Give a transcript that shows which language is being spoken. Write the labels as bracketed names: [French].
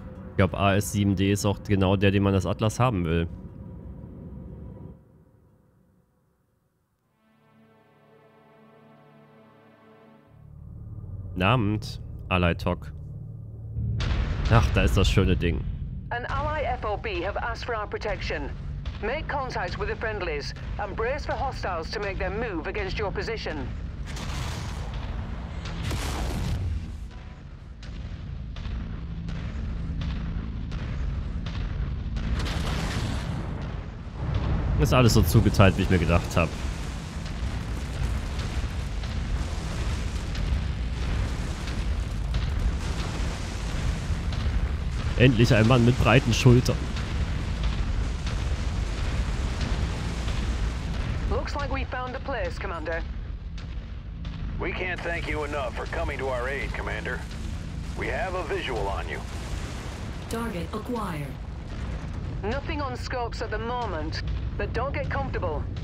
[German] Ich glaube, AS7D ist auch genau der, den man als Atlas haben will. Namens Ally Tok. Ach, da ist das schöne Ding. [English] An Ally FOB have asked for our protection. Make contact with the friendlies and brace for hostiles to make their move against your position. [German] Ist alles so zugeteilt, wie ich mir gedacht habe. Endlich ein Mann mit breiten Schultern. [English] Looks like we found the place, Commander. We can't thank you enough for coming to our aid, Commander. We have a visual on you. Target acquired. Nothing on scopes at the moment, but don't get comfortable.